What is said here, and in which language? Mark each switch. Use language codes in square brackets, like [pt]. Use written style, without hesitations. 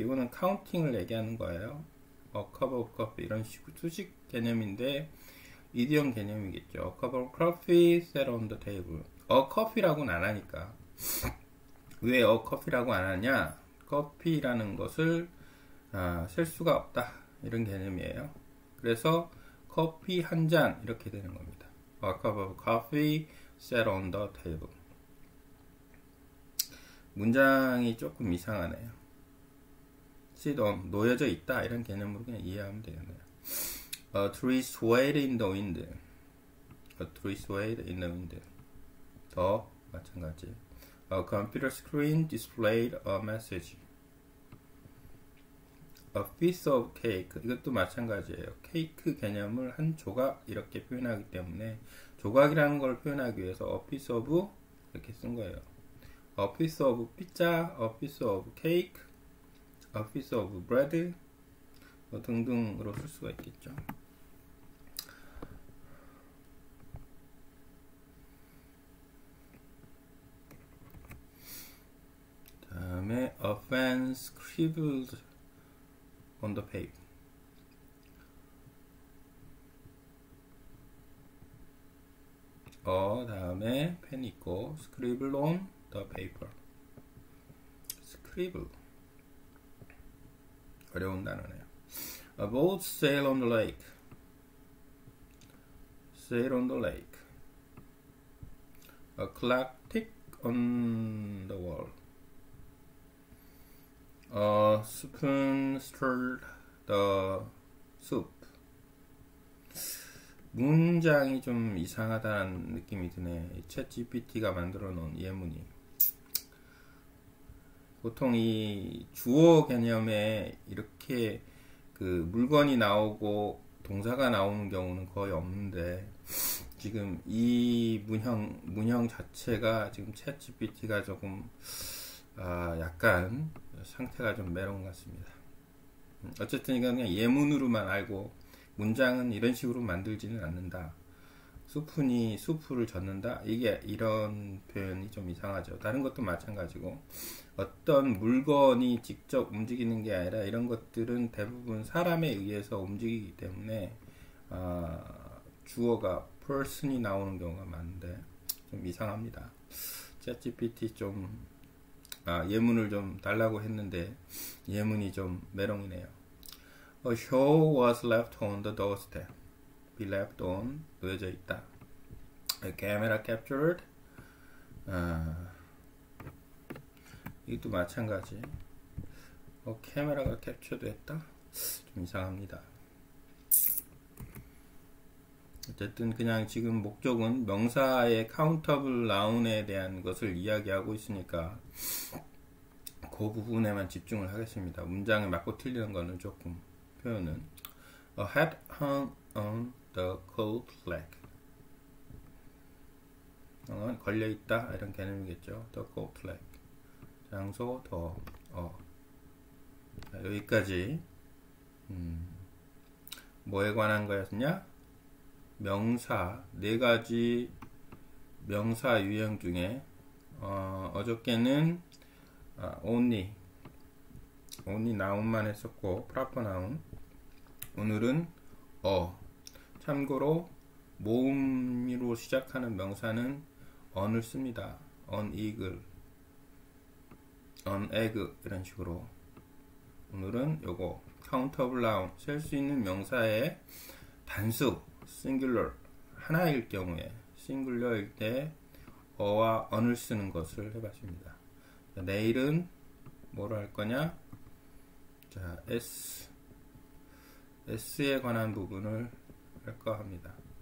[ko] 이거는 카운팅을 얘기하는 거예요. [en] A cup of coffee. [ko] 이런 식으로 수식 개념인데, 이디엄 개념이겠죠. [en] A cup of coffee set on the table. [ko] A coffee라고는 안 하니까. 왜 A coffee라고 안 하냐? 커피라는 것을 쓸 수가 없다. 이런 개념이에요. 그래서 커피 한잔 이렇게 되는 겁니다. [en] A cup of coffee set on the table. [ko] 문장이 조금 이상하네요. [en] Sit on, [ko] 놓여져 있다 이런 개념으로 그냥 이해하면 되겠네요. [en] A tree swayed in the wind. A tree swayed in the wind. [ko] 더 마찬가지. [en] A computer screen displayed a message. A piece of cake. [ko] 이것도 마찬가지예요. 케이크 개념을 한 조각 이렇게 표현하기 때문에, 조각이라는 걸 표현하기 위해서 [en] a piece of [ko] 이렇게 쓴 거예요. [en] A piece of pizza, a piece of cake, a piece of bread [ko] 등등으로 쓸 수가 있겠죠. 다음에 [en] a fan scribbled on the paper. [ko] 다음에 펜 있고 [en] scribble on the paper. scribble. [ko] 어려운 단어네요. [en] A boat sail on the lake. sail on the lake. A clock tick on the wall. A spoon stirred the soup. [ko] 문장이 좀 이상하다는 느낌이 드네. 챗GPT가 만들어 놓은 예문이. 보통 이 주어 개념에 이렇게 물건이 나오고 동사가 나오는 경우는 거의 없는데, 지금 이 문형 자체가 지금 챗GPT가 조금 약간 상태가 좀 메론 같습니다. 어쨌든 이건 그냥 예문으로만 알고, 문장은 이런 식으로 만들지는 않는다. 수프니 수프를 젓는다. 이게 이런 표현이 좀 이상하죠. 다른 것도 마찬가지고, 어떤 물건이 직접 움직이는 게 아니라 이런 것들은 대부분 사람에 의해서 움직이기 때문에 주어가 person이 나오는 경우가 많은데 좀 이상합니다. ChatGPT 좀 아, 예문을 좀 달라고 했는데 예문이 좀 메롱이네요. [en] A shoe was left on the doorstep. Be left on [ko] 놓여져 있다. [en] A camera captured. [ko] 이것도 마찬가지. A 카메라가 캡처됐다. 좀 이상합니다. 어쨌든 그냥 지금 목적은 명사의 countable noun에 대한 것을 이야기하고 있으니까 그 부분에만 집중을 하겠습니다. 문장에 맞고 틀리는 거는 조금 표현은 [en] A hat hung on the coat rack. [ko] 걸려 있다 이런 개념이겠죠. [en] The coat rack. [ko] 장소 더 어. 자, 여기까지. 뭐에 관한 거였냐? 명사 네 가지 명사 유형 중에 어저께는 only noun만 했었고 proper noun. 오늘은 어. 참고로 모음으로 시작하는 명사는 언을 씁니다. An eagle, an egg 이런 식으로. 오늘은 요거 countable noun 쓸수 있는 명사의 단수 singular 하나일 경우에 singular일 때 어와 언을 쓰는 것을 해봤습니다. 자, 내일은 뭐로 할 거냐? 자, S에 관한 부분을 할까 합니다.